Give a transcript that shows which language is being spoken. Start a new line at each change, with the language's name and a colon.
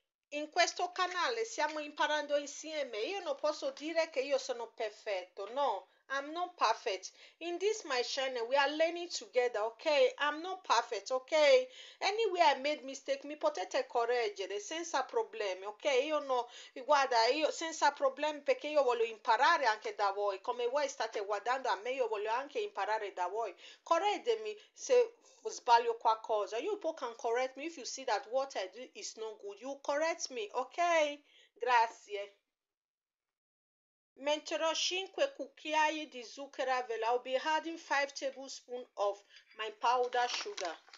Italian: In questo canale stiamo imparando insieme. Io non posso dire che io sono perfetto.
English: No, I'm not perfect. In this my channel, we are learning together, ok? I'm not perfect, ok? Anyway, I made mistake,
Italian: mi potete correggere senza problemi,
English: ok?
Italian: Io no, guarda, io senza problemi perché io voglio imparare anche da voi. Come voi state guardando a me, io voglio anche imparare da voi. Correggetemi se sbaglio qualcosa.
English: You people can correct me if you see that what I do is not good. You correct me, ok?
Italian: Grazie. Metterò 5 cucchiai di zucchero a velo.
English: I'll be adding 5 tablespoons of my powder sugar.